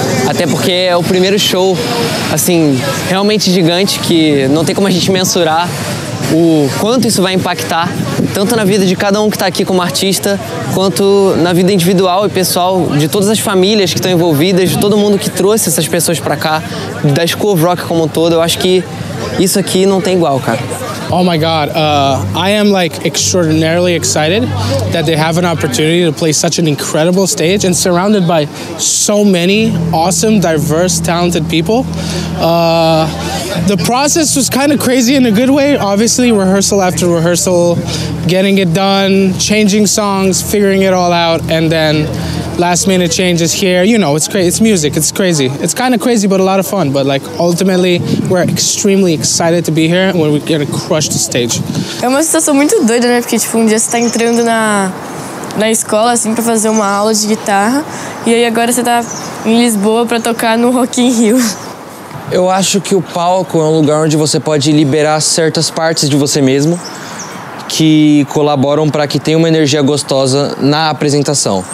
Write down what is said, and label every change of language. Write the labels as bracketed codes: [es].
[pt] Até porque é o primeiro show, assim, realmente gigante, que não tem como a gente mensurar o quanto isso vai impactar, tanto na vida de cada um que está aqui como artista, quanto na vida individual e pessoal de todas as famílias que estão envolvidas, de todo mundo que trouxe essas pessoas para cá, da School of Rock como um todo. Eu acho que isso aqui não tem igual, cara. [en] Oh my God, I am like extraordinarily excited that they have an opportunity to play such an incredible stage and surrounded by so many awesome, diverse, talented people. The process was kind of crazy in a good way. Obviously, rehearsal after rehearsal, getting it done, changing songs, figuring it all out, and then last minute changes here. You know, it's crazy. It's music. It's crazy. It's kind of crazy, but a lot of fun. But like, ultimately, we're extremely excited to be here, and we're gonna crush the stage. [pt] É uma situação muito doida, né? Porque tipo, um dia você tá entrando na escola assim para fazer uma aula de guitarra, e aí agora você tá em Lisboa para tocar no Rock in Rio. Eu acho que o palco é um lugar onde você pode liberar certas partes de você mesmo, que colaboram para que tenha uma energia gostosa na apresentação.